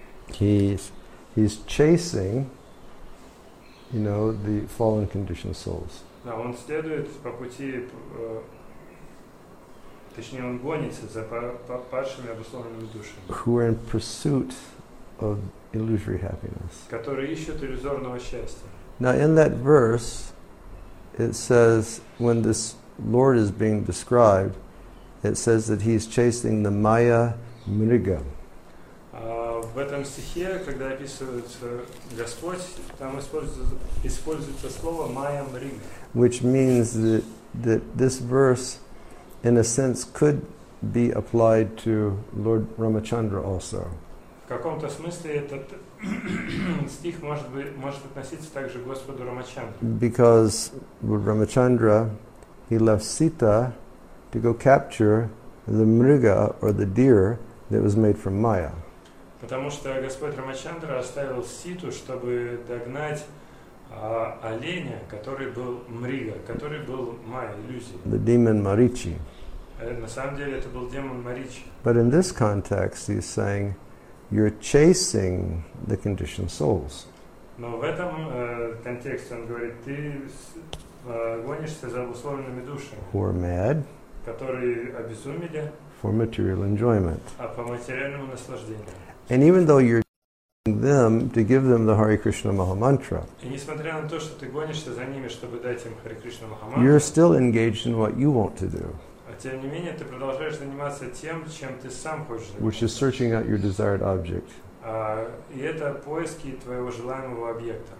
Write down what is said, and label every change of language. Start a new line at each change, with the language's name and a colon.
English: He's chasing, you know, the fallen conditioned souls.
Russian: Да, он следует по пути, точнее, он гонится за падшими обусловленными душами.
English: Who are in pursuit of illusory happiness.
Russian: Которые ищут иллюзорного счастья.
English: Now in that verse, it says, when this Lord is being described, it says that he is chasing the Maya Mriga.
Russian: В этом стихе, когда описывается Господь, там используется слово Maya Mriga.
English: Which means that this verse, in a sense, could be applied to Lord Ramachandra also.
Russian: В каком-то смысле этот стих может относиться также к Господу Рамачандре.
English: Because Рамачандра, he left Sita to go capture the mriga or the deer that was made from Maya.
Russian: Потому что Господь Рамачандра оставил Ситу, чтобы догнать оленя, который был мрига, который был Maya, иллюзия.
English: The demon Marichi.
Russian: На самом деле это был демон Маричи.
English: But in this context, he's saying, you're chasing the conditioned souls.
Russian: Но в этом контексте он говорит, ты гонишься за обусловленными душами.
English: Who are mad?
Russian: Которые обезумели.
English: For material enjoyment.
Russian: А по материальному наслаждению.
English: And even though you're chasing them to give them the Hare Krishna Maha Mantra.
Russian: И несмотря на то, что ты гонишься за ними, чтобы дать им Hare Krishna Maha Mantra.
English: You're still engaged in what you want to do.
Russian: Тем не менее, ты продолжаешь заниматься тем, чем ты сам хочешь заниматься.
English: Which is searching out your desired object.
Russian: И это поиски твоего желаемого объекта.